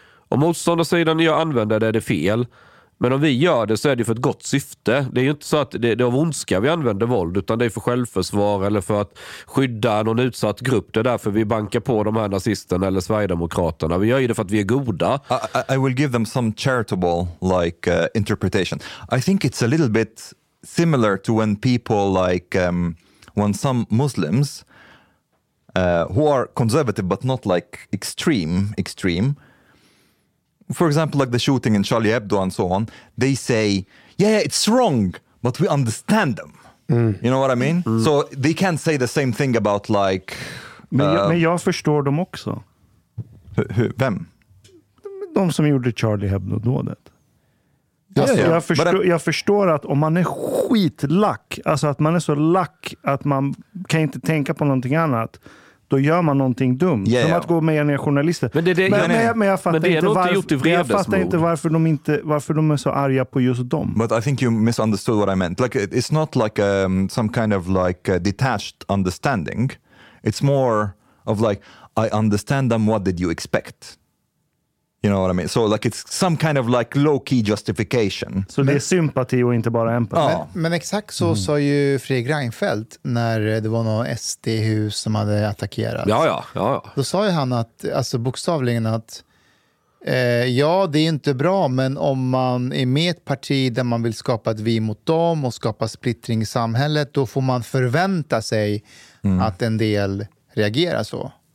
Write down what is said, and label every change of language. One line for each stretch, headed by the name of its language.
Swedish: Och motståndarsidan när jag använder det är det fel. Men om vi gör det så är det för ett gott syfte. Det är ju inte så att det är av ondska vi använder våld, utan det är för självförsvar eller för att skydda någon utsatt grupp. Det är därför vi bankar på de här nazisterna eller Sverigedemokraterna. Vi gör ju det för att vi är goda.
English: I will give them some charitable like interpretation. I think it's a little bit similar to when people like when some Muslims who are conservative but not like extreme, for example, like the shooting in Charlie Hebdo and so on, they say, yeah, it's wrong, but we understand them. Mm. You know what I mean? Mm. So they can't say the same thing about like...
Swedish: Men jag förstår dem också. Vem? De som gjorde Charlie Hebdo-dådet. Jag förstår att om man är skitlack, alltså att man är så lack att man kan inte tänka på någonting annat, då gör man någonting dumt. Yeah, som att gå med en journalist. Men jag fattar inte varför de är så arga på just dem.
English: But I think you misunderstood what I meant. Like, it's not like some kind of like detached understanding. It's more of like, I understand them, what did you expect? You know what I mean? So like, it's some kind of like low-key justification.
Swedish: Så det är sympati och inte bara empati. Ja. Men exakt så sa ju Fredrik Reinfeldt när det var något SD-hus som hade attackerat. Ja. Då sa ju han att, alltså bokstavligen att ja, det är inte bra, men om man är med ett parti där man vill skapa ett vi mot dem och skapa splittring i samhället, då får man förvänta sig att en del reagerar så.